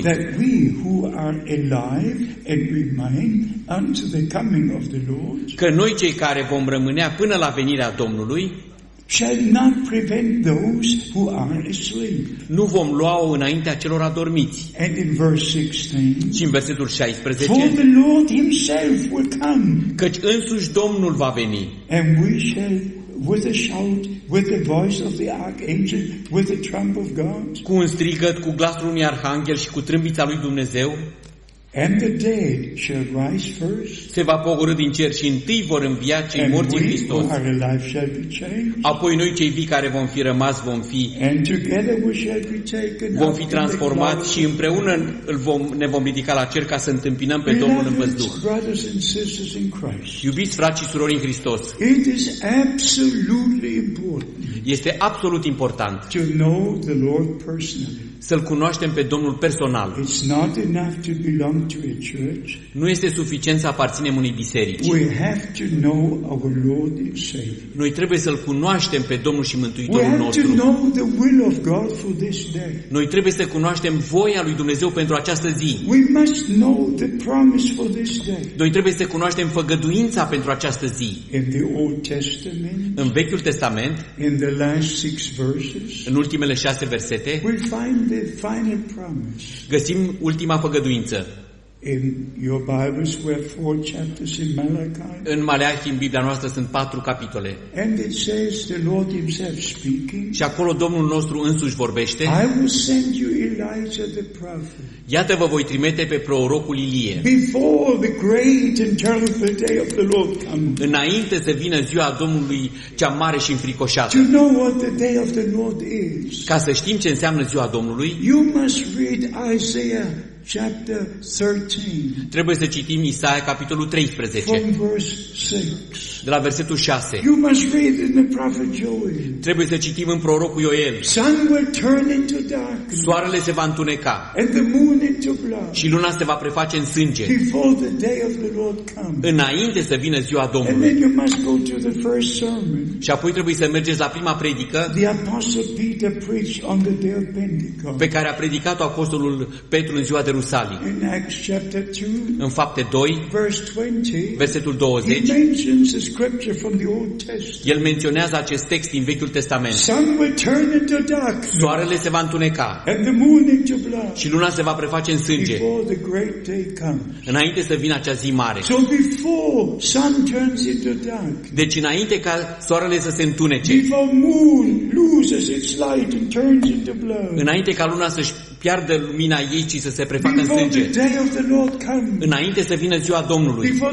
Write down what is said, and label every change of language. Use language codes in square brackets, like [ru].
[en] That we who are alive and remain unto the coming of the Lord. [ro] Că noi cei care vom rămâne până la venirea Domnului [en] shall not prevent those who are asleep. [ro] Nu vom lua-o înaintea celor adormiți. [en] And in verse 16. [ro] Și în versetul 16. [en] For the Lord himself will come. [ro] Căci însuși Domnul va veni. [en] And we shall with a shout, with the voice of the archangel, with the trump of God. [ro] Cu un strigăt, cu glasul unui arhanghel și cu trâmbița lui Dumnezeu. [en] And the dead shall rise first. [ro] Se va pogorî din cer și întâi vor învia cei morți în Hristos. [en] And we, our life shall be changed. [ro] Apoi noi cei vii care vom fi rămas vom fi. [en] And together we shall be taken. [ro] Vom fi transformați și împreună ne vom ridica la cer ca să întâmpinăm pe Domnul în văzduh. [en] Brothers and sisters in Christ. [ro] Iubiți frați și surori în Hristos. [en] It is absolutely important. [ro] Este absolut important. [en] To know the Lord personally. [ro] Să-L cunoaștem pe Domnul personal. [en] It's not enough to belong to a church. [ro] Nu este suficient să aparținem unei biserici. [en] We have to know our Lord and Savior. [ro] Noi trebuie să-L cunoaștem pe Domnul și Mântuitorul nostru. [en] We have to know the will of God for this day. [ro] Noi trebuie să cunoaștem voia lui Dumnezeu pentru această zi. [en] We must know the promise for this day. [ro] Noi trebuie să cunoaștem făgăduința pentru această zi. [en] In the Old Testament, [ro] în Vechiul Testament, [en] in the last six verses, [ro] în ultimele 6 versete, [en] we find the final promise. [ro] Găsim ultima făgăduință. [en] In your Bibles were four chapters in Malachi. [ro] În Maleahi, în Biblia noastră sunt 4 capitole. [en] And it says the Lord himself speaking. [ro] Și acolo Domnul nostru însuși vorbește. [en] I will send you Elijah the prophet. [ro] Iată vă voi trimite pe prorocul Ilie. [en] Before the great and terrible day of the Lord comes. [ro] Înainte să vină ziua Domnului cea mare și înfricoșată. [en] To know what the day of the Lord is. [ro] Ca să știm ce înseamnă ziua Domnului. [en] You must read Isaiah chapter 13. [ro] Trebuie să citim Isaia capitolul 13. [en] From verse 6. [ro] De la versetul 6. [en] You must read in the prophet Joel. [ro] Trebuie să citim în prorocul Ioel. [en] Sun will turn into darkness. [ro] Soarele se va întuneca. [en] And the moon into blood. [ro] Și luna se va preface în sânge. [en] Before the day of the Lord comes. [ro] Înainte să vină ziua Domnului. [en] And then you must go to the first sermon. [ro] Și apoi trebuie să mergeți la prima predică. [en] The apostle Peter preached on the day of Pentecost. [ro] Pe care a predicat-o apostolul Petru în ziua de Rusalii. [en] In Acts chapter 2, [ro] în fapte 2, [en] verse 20, [ro] versetul 20, [en] he mentions the scripture from the Old Testament. [ro] El menționează acest text din Vechiul Testament. [en] Sun will turn into darkness. [ro] Soarele se va întuneca. [en] And the moon into blood. [ro] Și luna se va preface în sânge. [en] Before the great day comes. [ro] Înainte să vină acea zi mare. [en] So before sun turns into darkness. [ro] Deci înainte ca soarele să se întunece. [en] Before moon loses its light and turns into blood. [ro] Înainte ca luna să-și piardă lumina ei și să se prefacă în sânge. Înainte să vină ziua Domnului.